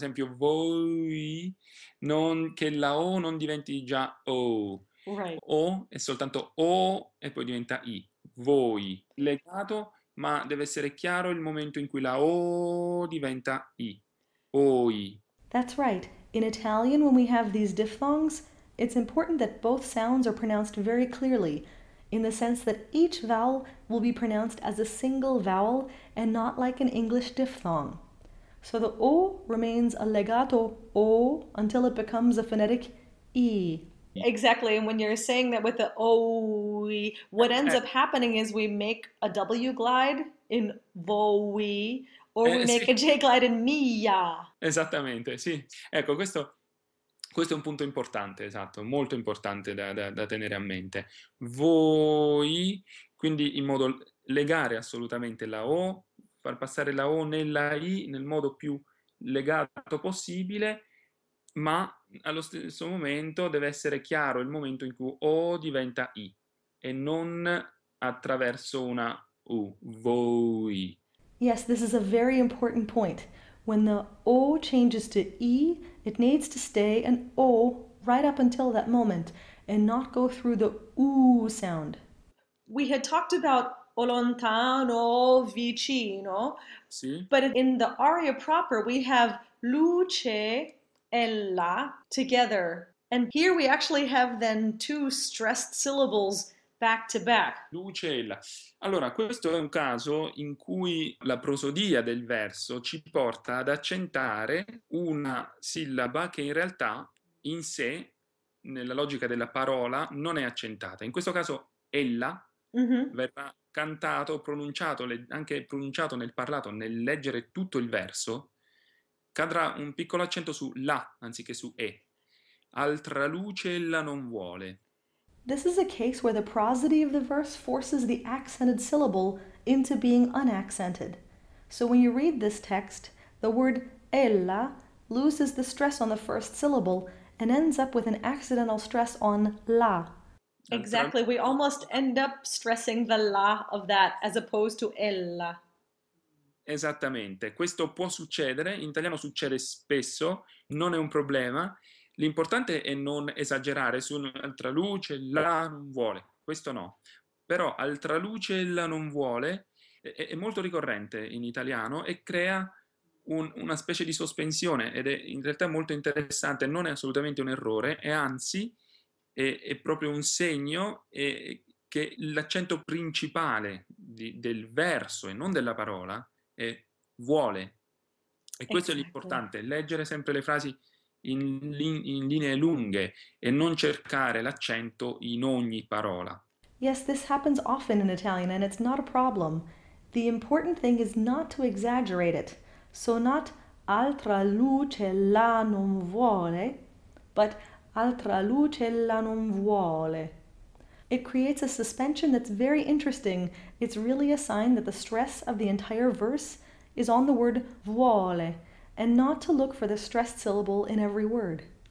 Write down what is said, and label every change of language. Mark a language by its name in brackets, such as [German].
[Italian] Ad esempio, voi, non, che la O non diventi già O, O è soltanto O e poi diventa I. Voi, legato. Ma deve essere chiaro il momento in cui la O diventa I. Oi. [English] That's right. In Italian, when we have these diphthongs, it's important that both sounds are pronounced very clearly, in the sense that each vowel will be pronounced as a single vowel and not like an English diphthong. So the O remains a legato O until it becomes a phonetic E. Exactly, and when you're saying that with the OE, what ends up happening is we make a W glide in VOE, or we [Italian] Sì. [English] make a J glide in MIA. [Italian] Esattamente, sì. Ecco, questo è un punto importante, esatto, molto importante da tenere a mente. Voi, quindi in modo legare assolutamente la O, far passare la O nella I nel modo più legato possibile, ma allo stesso momento deve essere chiaro il momento in cui O diventa I e non attraverso una U. Voi. [English] Yes, this is a very important point. When the O changes to E, it needs to stay an O right up until that moment and not go through the OO sound. We had talked about o lontano, vicino, [Italian] Sì. [English] but in the aria proper we have luce e la together. And here we actually have then two stressed syllables back to back. [Italian] Lucella. Allora, questo è un caso in cui la prosodia del verso ci porta ad accentare una sillaba che in realtà in sé, nella logica della parola, non è accentata. In questo caso, ella verrà cantato, pronunciato, anche pronunciato nel parlato, nel leggere tutto il verso, cadrà un piccolo accento su la anziché su e. Altra luce ella non vuole. [English] This is a case where the prosody of the verse forces the accented syllable into being unaccented. So when you read this text, the word ella loses the stress on the first syllable and ends up with an accidental stress on la. Exactly, we almost end up stressing the la of that as opposed to ella. [Italian] Esattamente, questo può succedere, in italiano succede spesso, non è un problema. L'importante è non esagerare su un'altra luce, la non vuole, questo no. Però altra luce, la non vuole, è molto ricorrente in italiano e crea una specie di sospensione ed è in realtà molto interessante, non è assolutamente un errore, e anzi è proprio un segno che l'accento principale del verso e non della parola è vuole. E questo è l'importante, leggere sempre le frasi in linee lunghe e non cercare l'accento in ogni parola. [English] Yes, this happens often in Italian and it's not a problem. The important thing is not to exaggerate it. So not [Italian] altra luce la non vuole, [English] but altra luce la non vuole. It creates a suspension that's very interesting. It's really a sign that the stress of the entire verse is on the word vuole, and not to look for the stressed syllable in every word.